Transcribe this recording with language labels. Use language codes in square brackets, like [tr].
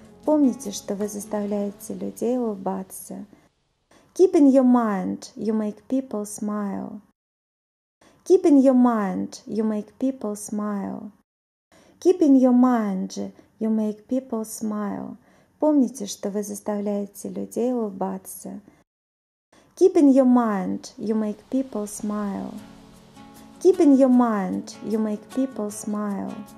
[ru] Помните, что вы заставляете людей улыбаться. [en] Keep in your mind you make people smile. Keep in your mind you make people smile. Keep in your mind you make people smile. [ru] Помните, что вы заставляете людей улыбаться. [en] Keep in your mind you make people smile. Keep in your mind you make people smile.